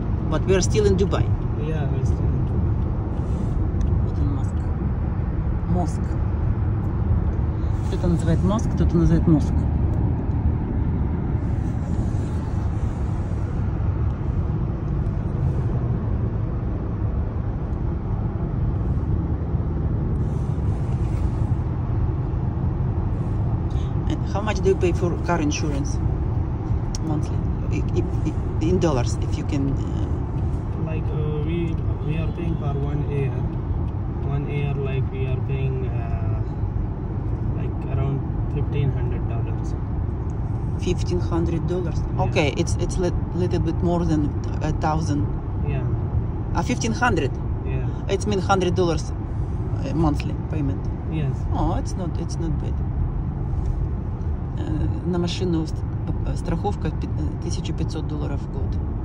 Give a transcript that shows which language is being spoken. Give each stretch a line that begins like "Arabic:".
English: But we are still in Dubai. Yeah, we're still in Dubai.
Russian: Это мозг. Мозг. Кто-то называет мозг, кто-то называет мозг.
English: Do you pay for car insurance monthly in dollars if you can we are paying for one year like we are paying around $1,500 $1,500 yeah. Okay it's little bit more than $1,000 yeah 1,500 yeah it's mean $100 monthly payment yes oh it's not bad.
Russian: На машину страховка $1,500 в год.